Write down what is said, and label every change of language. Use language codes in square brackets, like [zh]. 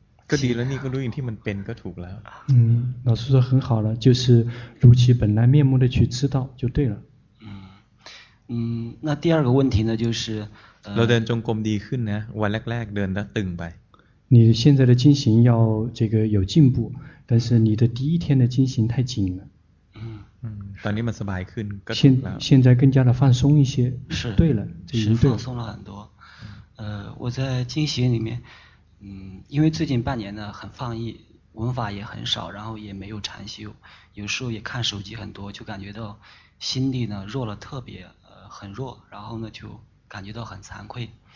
[th] ก็ดีแล้วนี่ก็รู้อย่างที่มันเป็นก็ถูกแล้ว [zh] 老师说很好了，就是如其本来面目的去知道就对了。那第二个问题呢就是 [th] เราเดินจงกรมดีขึ้นนะวันแรกๆเดินแล้วตึงไป [zh] 你现在的进行要这个有进步，但是你的第一天的进行太紧了。 [th] ตอนนี้มันสบายขึ้น [zh] 现在更加的放松一些。是对了，这已经对了，是放松了很多。我在进行里面，因为最近半年呢很放逸，文法也很少，然后也没有禅修，有时候也看手机很多，就感觉到心力呢弱了，特别很弱，然后呢就感觉到很惭愧。